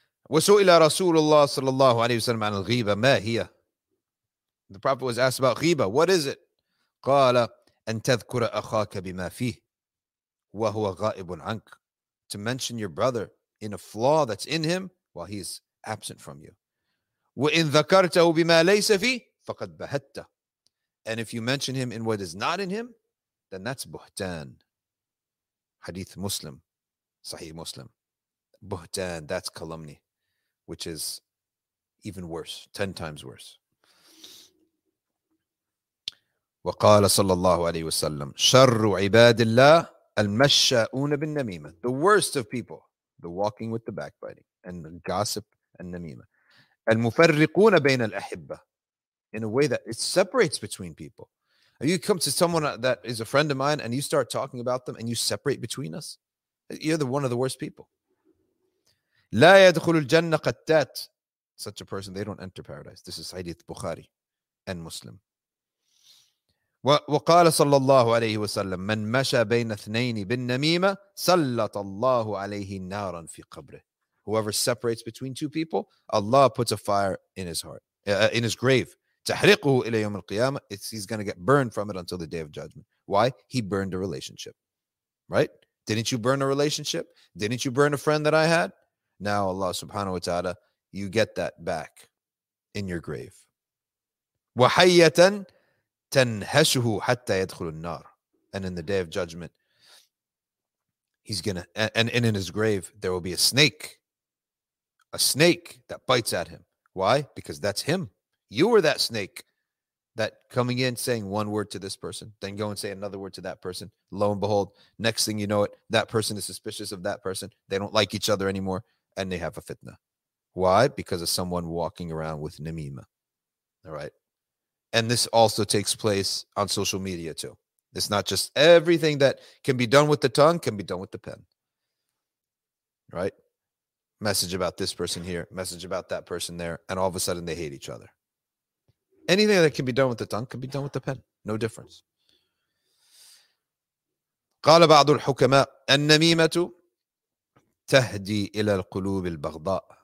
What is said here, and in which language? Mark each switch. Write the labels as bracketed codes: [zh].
[ar] وسئل رسول الله صلى الله عليه وسلم عن الغيبة ما هي. [en] The Prophet was asked about غيبة. What is it? [ar] قال أن تذكر أخاك بما فيه وهو غائب عنك. [en] To mention your brother in a flaw that's in him while he's absent from you. [ar] وإن ذكرته بما ليس فيه فقد بهت. [en] And if you mention him in what is not in him, then that's بهتان. Hadith Muslim, Sahih Muslim. بهتان, that's calumny, which is even worse, 10 times worse. [ar] وقال صلى الله عليه وسلم شر عباد الله المشاؤون بالنميمة. [en] The worst of people, the walking with the backbiting and the gossip and النميمة. [ar] المفرقون بين الأحبة, [en] in a way that it separates between people. You come to someone that is a friend of mine and you start talking about them and you separate between us, you're the one of the worst people. [ar] لا يدخل الجنة قتات. [en] Such a person, they don't enter paradise. This is Hadith Bukhari and Muslim. [ar] وقال صلى الله عليه وسلم من مشى بين اثنين بالنميمة سلط الله عليه نارا في قبره. [en] Whoever separates between two people, Allah puts a fire in his heart, in his grave. [ar] تحرقه إلى يوم القيامة. [en] He's going to get burned from it until the day of judgment. Why? He burned a relationship, right? Didn't you burn a relationship? Didn't you burn a friend that I had? Now Allah subhanahu wa ta'ala, you get that back in your grave. [ar] وحيةً تنهشه حتى يدخل النار. [en] And in the day of judgment, he's gonna, and in his grave, there will be a snake that bites at him. Why? Because that's him. You were that snake that coming in saying one word to this person, then go and say another word to that person. Lo and behold, next thing you know it, that person is suspicious of that person. They don't like each other anymore, and they have a fitna. Why? Because of someone walking around with namima. All right. And this also takes place on social media too. It's not just everything that can be done with the tongue can be done with the pen. Right? Message about this person here, message about that person there, and all of a sudden they hate each other. Anything that can be done with the tongue can be done with the pen. No difference. [ar] قال بعض الحكماء النميمة تهدي إلى القلوب البغضاء.